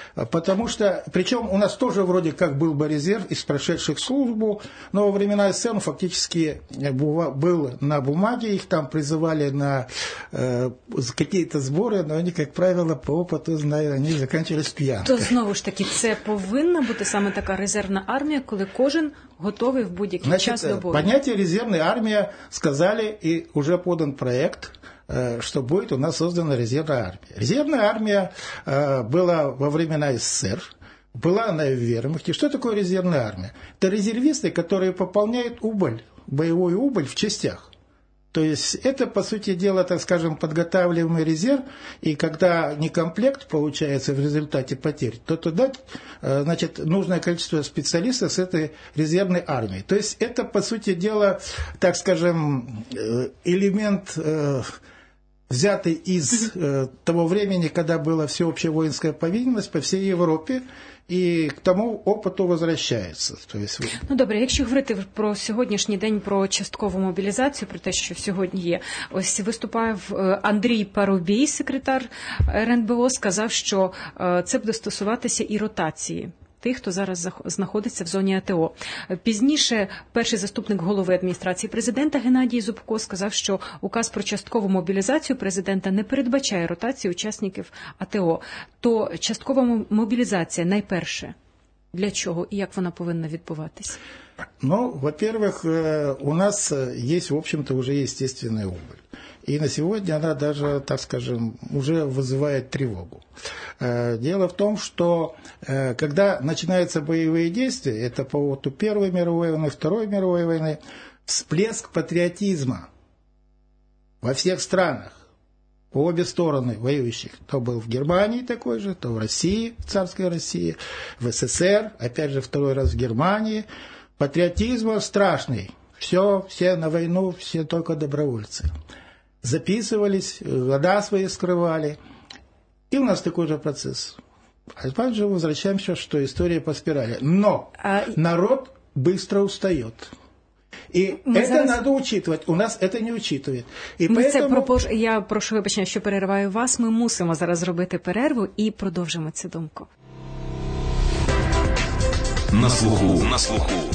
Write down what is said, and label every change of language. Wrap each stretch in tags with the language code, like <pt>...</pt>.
<ru>Потому что, причем у нас тоже вроде как был бы резерв из прошедших службу, но во времена СССР фактически был на бумаге, их там призывали на какие-то сборы, но они, как правило, по опыту знаю, они заканчивались п'янкой.</ru> <uk>То знову ж таки, це повинна бути саме така резервна армія, коли кожен готовий в будь-який час до бою. Поняття резервна армія, сказали, і вже подан проєкт,</uk> <ru>что будет у нас создана резервная армия. Резервная армия была во времена СССР, была она и в Вермахте. Что такое резервная армия? Это резервисты, которые пополняют убыль, боевой убыль в частях. То есть это, по сути дела, так скажем, подготавливаемый резерв, и когда некомплект получается в результате потерь, то тогда, значит, нужное количество специалистов с этой резервной армией. То есть это, по сути дела, так скажем, элемент, взятый из того времени, когда была всеобщая воинская повинность по всей Европе, і к тому опиту возвращається.</ru> <uk>Ну, добре, якщо говорити про сьогоднішній день, про часткову мобілізацію, про те, що сьогодні є, ось виступав Андрій Парубій, секретар РНБО, сказав, що це буде стосуватися і ротації тих, хто зараз знаходиться в зоні АТО. Пізніше перший заступник голови адміністрації президента Геннадій Зубко сказав, що указ про часткову мобілізацію президента не передбачає ротації учасників АТО. То часткова мобілізація найперше. Для чого і як вона повинна відбуватись?</uk> <ru>Ну, во-первых, у нас є, в общем-то, вже естественний убыль. И на сегодня она даже, так скажем, уже вызывает тревогу. Дело в том, что когда начинаются боевые действия, это по поводу Первой мировой войны, Второй мировой войны, всплеск патриотизма во всех странах. в обе стороны воюющих. То был в Германии такой же, то в России, в царской России, в СССР, опять же второй раз в Германии. Патриотизм страшный. Все на войну, все только добровольцы. Записывались, года свои скрывали. И у нас такой же процесс. А опять же возвращаемся, что история по спирали. Но народ быстро устает.</ru> <uk>І це зараз... треба учитувати. У нас це не учитує. Я прошу вибачення, що перериваю вас. Ми мусимо зараз зробити перерву і продовжимо цю думку. На слуху. На слуху.</uk>